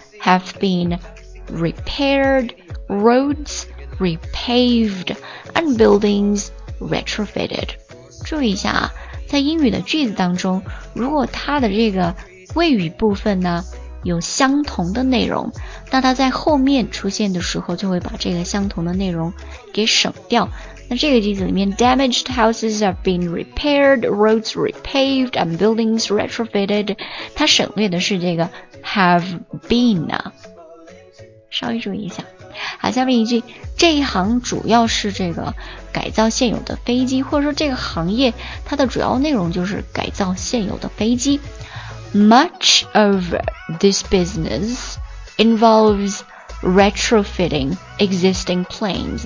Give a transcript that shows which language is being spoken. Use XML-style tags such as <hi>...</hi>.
<en>have been repaired, roads repaved, and buildings retrofitted.</en> <zh>注意一下，在英语的句子当中，如果它的这个谓语部分呢有相同的内容，那它在后面出现的时候就会把这个相同的内容给省掉。那这个句子里面</zh> <en>damaged houses have been repaired, roads repaved, and buildings retrofitted,</en> <zh>它省略的是这个 have been 啊。稍微注意一下。好，下面一句，这一行主要是这个改造现有的飞机，或者说这个行业它的主要内容就是改造现有的飞机。</zh> <en>Much of this business involves retrofitting existing planes.</en>